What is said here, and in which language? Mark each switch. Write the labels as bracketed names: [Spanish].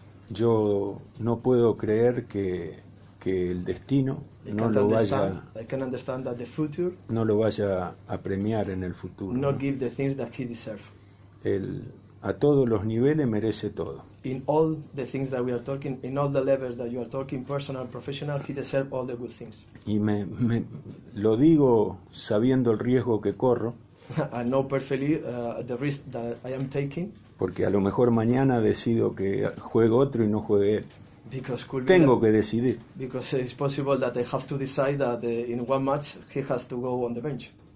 [Spanish] Yo no puedo creer que el destino no lo vaya. [English] I can understand that the future [Spanish] no lo vaya a premiar en el futuro. [English] Not give the things that he deserves. [Spanish] El a todos los niveles merece todo. [English] In all the things that we are talking, in all the levels that you are talking, personal, professional, he deserves all the good things. [Spanish] Y me lo digo sabiendo el riesgo que corro. [English] I know perfectly the risk that I am taking. [Spanish] Porque a lo mejor mañana decido que juegue otro y no juegue él. [English] Because could be [Spanish] tengo [English] that, [Spanish] que decidir. [English] Because it's possible that I have to decide that in one match he has to go on the bench.